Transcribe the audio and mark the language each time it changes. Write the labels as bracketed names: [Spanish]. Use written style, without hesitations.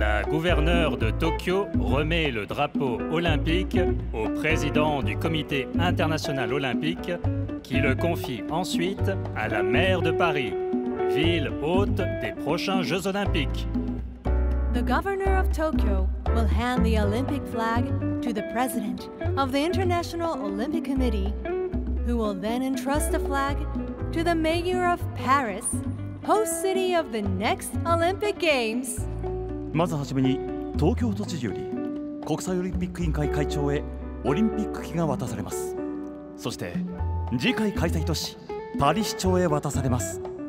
[French] Gouverneur de Tokyo remet le drapeau olympique au président du Comité international olympique qui le confie ensuite à la maire de Paris, ville hôte des prochains Jeux olympiques. [English] The governor of Tokyo will hand the Olympic flag to the president of the International Olympic Committee, who will then entrust the flag to the mayor of Paris, host city of the next Olympic Games. [Japanese] まずはじめに東京都知事より国際オリンピック委員会会長へオリンピック旗が渡されます。そして次回開催都市パリ市長へ渡されます。